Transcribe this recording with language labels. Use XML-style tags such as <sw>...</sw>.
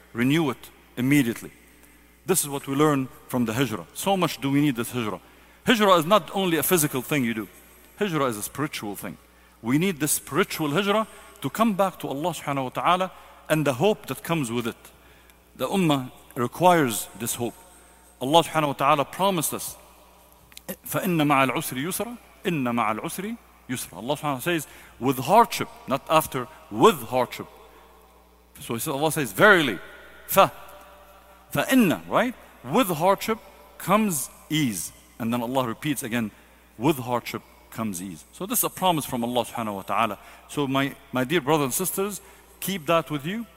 <en>Renew it immediately. This is what we learn from the hijrah. So much do we need this hijrah. Hijrah is not only a physical thing you do. Hijrah is a spiritual thing. We need this spiritual hijrah to come back to Allah subhanahu wa ta'ala and the hope that comes with it. The ummah requires this hope. Allah subhanahu wa ta'ala promised us,</en> <ar>فَإِنَّ مَعَ الْعُسْرِ يُسْرًا إِنَّ مَعَ الْعُسْرِ يُسْرًا.</ar> <en>Allah subhanahu wa ta'ala says, with hardship, not after, with hardship. So Allah says, verily, فَإِنَّ, right? With hardship comes ease. And then Allah repeats again, with hardship comes ease. So this is a promise from Allah subhanahu wa ta'ala. So my dear brothers and sisters, keep that with you.</en>